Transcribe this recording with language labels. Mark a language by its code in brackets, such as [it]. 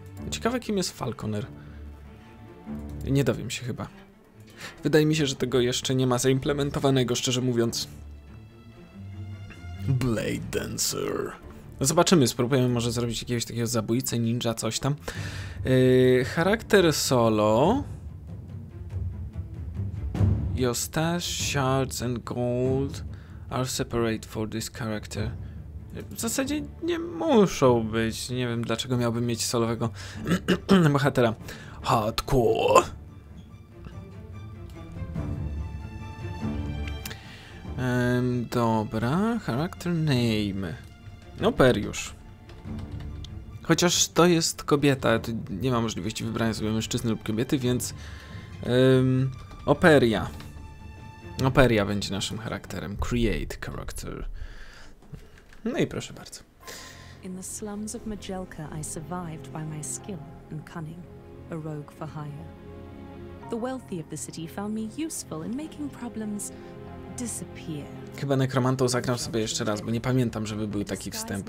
[pl] Ciekawe, kim jest Falconer. Nie dowiem się chyba. Wydaje mi się, że tego jeszcze nie ma zaimplementowanego, szczerze mówiąc. Blade Dancer. Zobaczymy, spróbujemy może zrobić jakiegoś takiego zabójcę, ninja, coś tam. Charakter solo. [en] Your stash, shards and gold are separate for this character. [pl] W zasadzie nie muszą być. Nie wiem, dlaczego miałbym mieć solowego bohatera. [en] Hardcore. [pl] Dobra, [en] character name. [pl] No, Periusz. Chociaż to jest kobieta, to nie ma możliwości wybrania sobie mężczyzny lub kobiety, więc Operia. Operia będzie naszym charakterem. [en] Create character. [pl] No i proszę bardzo. [en] In the slums of Majelka I survived by my skill and cunning. A rogue for hire. The wealthy of the city found me useful in making problems disappear. [pl] Chyba nekromantą zagram sobie jeszcze raz, bo nie pamiętam, żeby był taki wstęp.